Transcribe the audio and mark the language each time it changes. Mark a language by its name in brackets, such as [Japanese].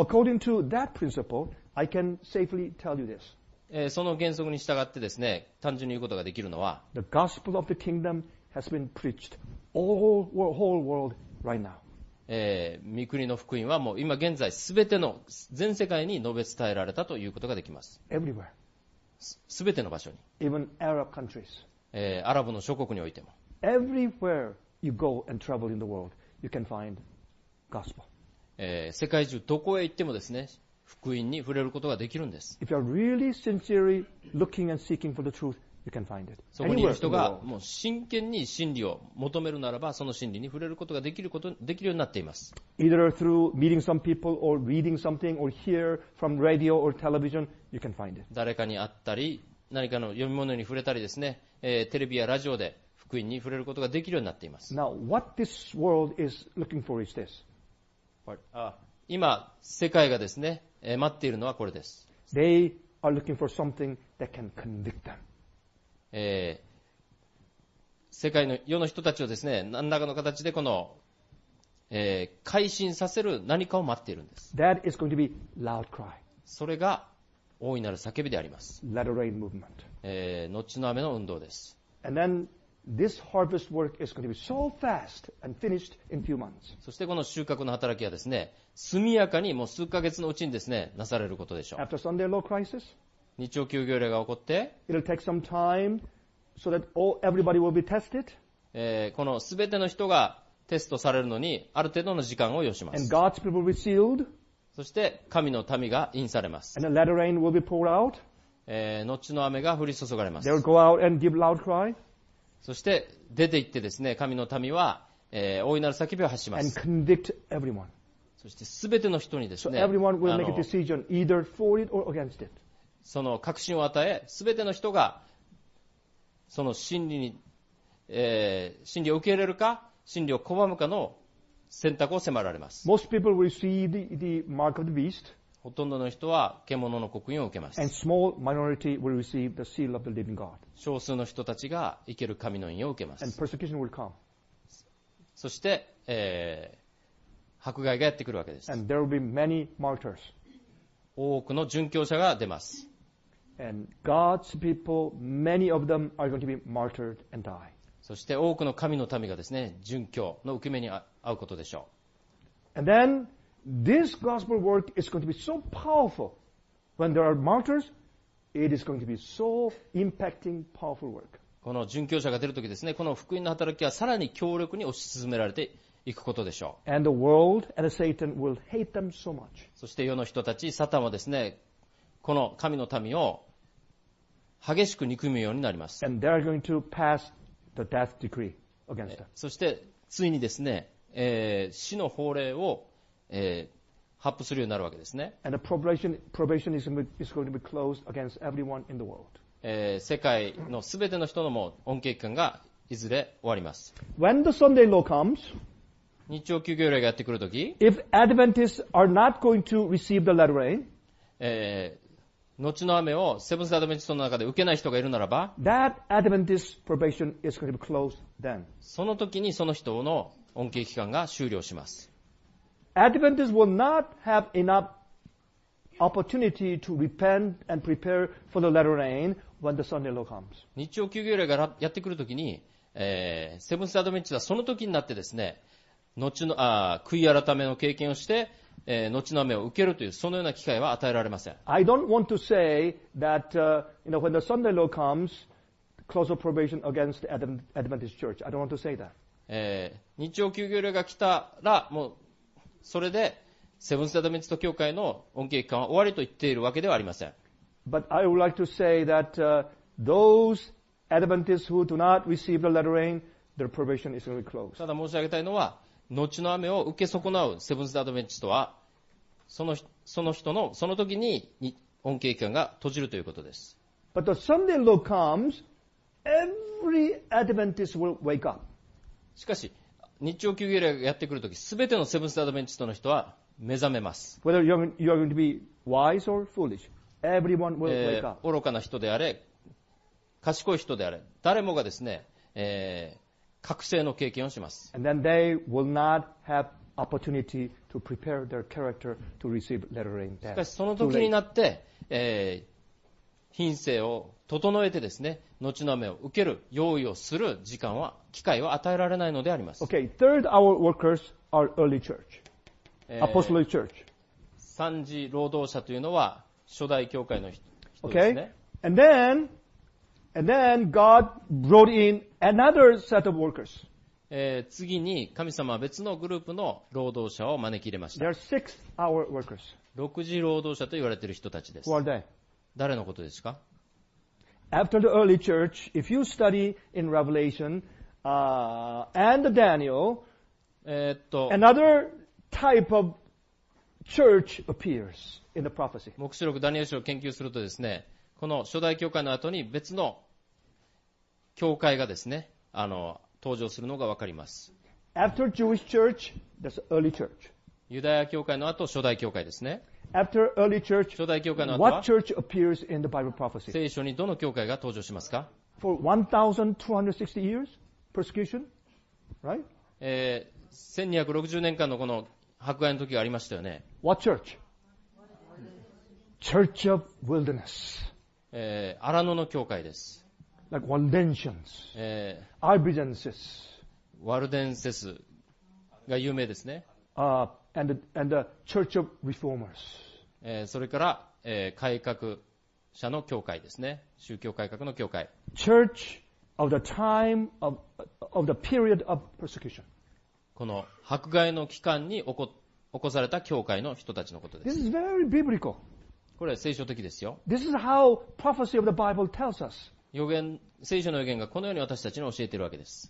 [English] According to that principle, I can safely tell you this. [Japanese] その原則に従ってですね、単純に言うことができるのは、 [English] The gospel of the kingdom has been preached all whole world right now. [Japanese] 御国の福音はもう今現在すべての全世界に述べ伝えられたということができます。 [English] Everywhere. [Japanese] すべての場所に。 [English] Even Arab countries. [Japanese] アラブの諸国においても。 [English] Everywhere you go and travel in the world, you can find gospel. [Japanese] 世界中どこへ行ってもですね、福音に触れることができるんです。 [English] If you're really sincerely looking and seeking for the truth, you can find it. [Japanese] そこにいる人がもう真剣に真理を求めるならば、その真理に触れることができることできるようになっています。 [English] Either through meeting some people or reading something or hear from radio or television, you can find it. [Japanese] 誰かに会ったり、何かの読み物に触れたりですね、テレビやラジオで福音に触れることができるようになっています。 [English] Now, what this world is looking for is this. [Japanese] 今世界がですね、待っているのはこれです。 [English] They are looking for something that can convict them. [Japanese] 世界の世の人たちをですね、何らかの形でこの、改心させる何かを待っているんです。 [English] That is going to be loud cry. [Japanese] それが大いなる叫びであります。 [English] Let it rain movement. [Japanese] 後の雨の運動です。 [English] And then this harvest work is going to be so fast and finished in few months. [Japanese] そしてこの収穫の働きはですね、速やかにもう数ヶ月のうちにですね、なされることでしょう。 [English] After Sunday law crisis, [Japanese] 日曜休業令が起こって、 [English] it'll take some time so that everybody will be tested. [Japanese] このすべての人がテストされるのにある程度の時間を要します。 [English] And God's people will be sealed. [Japanese] そして神の民が印されます。 [English] And the latter rain will be poured out. [Japanese] 後の雨が降り注がれます。 [English] They'll go out and give loud cry. [Japanese] そして出て行ってですね、神の民は、大いなる叫びを発します。 [English] And convict everyone. [Japanese] そして全ての人にですね、 [English] so everyone will make a decision either for it or against it. [Japanese] その確信を与え、全ての人がその真理に、真理を受け入れるか、真理を拒むかの選択を迫られます。 [English] Most people will see the mark of the beast. [Japanese] ほとんどの人は獣の刻印を受けます。 [English] And small minority will receive the seal of the living God. [Japanese] 少数の人たちが生ける神の印を受けます。 [English] And persecution will come. [Japanese] そして、迫害がやってくるわけです。 [English] And there will be many martyrs. [Japanese] 多くの殉教者が出ます。 [English] And God's people, many of them are going to be martyred and die. [Japanese] そして多くの神の民がですね、殉教の受け目に遭うことでしょう。 [English] And then,This gospel work is going to be so powerful. When there are martyrs, it is going to be so impacting, powerful work. [Japanese] この殉教者が出るときですね、この福音の働きはさらに強力に推し進められていくことでしょう。 [English] And the world and Satan will hate them so much. [Japanese] そして世の人たち、サタンはですね、この神の民を激しく憎むようになります。 [English] And they are going to pass the death decree against them. [Japanese] そしてついにですね、死の法令を発布するようになるわけですね。 [English] And the probation is going to be closed against everyone in the world. [Japanese] 世界のすべての人のも恩恵期間がいずれ終わります。 [English] When the Sunday law comes, [Japanese] 日曜休業令がやってくるとき、 [English] if Adventists are not going to receive the latter rain, [Japanese] 後の雨をセブンス・アドベンチストの中で受けない人がいるならば、 [English] that Adventist probation is going to be closed then. [Japanese] その時にその人の恩恵期間が終了します。 [English] Adventists will not have enough opportunity to repent and prepare for the latter rain when the Sunday law comes. [Japanese] 日曜休業令がやってくるときに、セブンス・アドベンチはその時になってですね、悔い改めの経験をして、後の雨を受けるというそのような機会は与えられません。 [English] I don't want to say that, when the Sunday law comes, close of probation against the Adventist Church. I don't want to say that. [Japanese] 日曜休業令が来たら、もう、それでセブンス・アドベンチスト教会の恩恵期間は終わりと言っているわけではありません。 [English] But I would like to say that those Adventists who do not receive the latter rain, their probation is going to be closed. [Japanese] ただ申し上げたいのは、後の雨を受け損なうセブンス・アドベンチストは、その人のその時に恩恵期間が閉じるということです。 [English] But the Sunday law comes, every Adventist will wake up. [Japanese] しかし、日曜休業令がやってくるとき、すべてのセブンス・アドベンチストの人は目覚めます。 [English] Whether you're going to be wise or foolish, everyone will wake up. [Japanese] 愚かな人であれ、賢い人であれ、誰もがですね、覚醒の経験をします。 [English] And then they will not have opportunity to prepare their character to receive letter in death. [Japanese] しかしその時になって、品性を整えてですね、後の雨を受ける用意をする時間は機会は与えられないのであります。 [English] Okay, third, our workers are early church, apostolic church. [Japanese] 三次労働者というのは初代教会の人ですね。 [English] Okay, and then God brought in another set of workers. [Japanese] 次に神様は別のグループの労働者を招き入れました。 [English] There are six hour workers. [Japanese] 六次労働者と言われている人たちです。 [English] Who are they? [Japanese] 誰のことですか? [English] After the early church, if you study in Revelation, and Daniel, another type of church appears in the prophecy. [Japanese] 黙示録ダニエル書を研究するとですね、この初代教会の後に別の教会がですね、登場するのがわかります。 [English] After Jewish church, that's early church. [Japanese] ユダヤ教会の後、初代教会ですね。 [English] After early church, [Japanese] 初代教会の後は、 [English] what church appears in the Bible prophecy? [Japanese] 聖書にどの教会が登場しますか? [English] For 1260 years, persecution, right? [Japanese] 1260年間のこの迫害の時がありましたよね。 [English] What church? Church of wilderness. [Japanese] 荒野の教会です。 [English] Like Waldensians, Albigenses. [Japanese] ワルデンセスが有名ですね。 [English] And the Church of Reformers. [Japanese] それから、改革者の教会ですね。宗教改革の教会。 [English] Church of the time of the period of persecution. [Japanese] この迫害の期間に起こされた教会の人たちのことです。 [English] This is very biblical. [Japanese] これは聖書的ですよ。 [English] This is how prophecy of the Bible tells us. [Japanese] 予言、聖書の予言がこのように私たちに教えているわけです。